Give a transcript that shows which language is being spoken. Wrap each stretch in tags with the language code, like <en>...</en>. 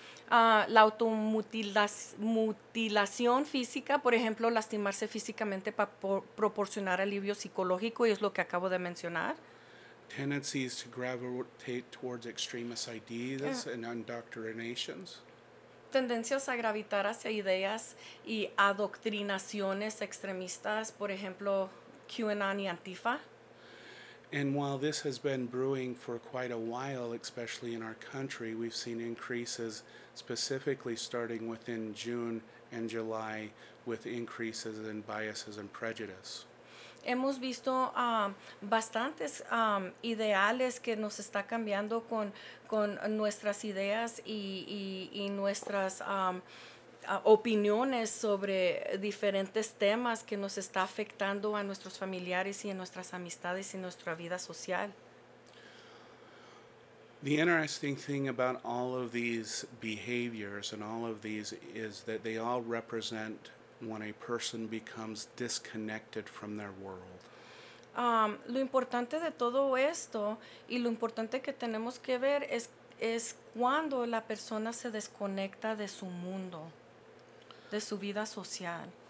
<es>La automutilación física, por ejemplo, lastimarse físicamente para proporcionar alivio psicológico, y es lo que acabo de mencionar.</es> <en>Tendencies to gravitate towards extremist ideas and indoctrinations.</en> <es>Tendencias a gravitar hacia ideas y adoctrinaciones extremistas, por ejemplo, QAnon y Antifa.</es> <en>And while this has been brewing for quite a while, especially in our country, we've seen increases specifically starting within June and July with increases in biases and prejudice.</en> <es>Hemos visto bastantes ideales que nos está cambiando con nuestras ideas y nuestras opiniones sobre diferentes temas que nos está afectando a nuestros familiares y en nuestras amistades y nuestra vida social.</es> <en>The interesting thing about all of these behaviors and all of these is that they all represent when a person becomes disconnected from their world.</en> <es>Lo importante de todo esto y lo importante que tenemos que ver es cuando la persona se desconecta de su mundo, de su vida social.</es>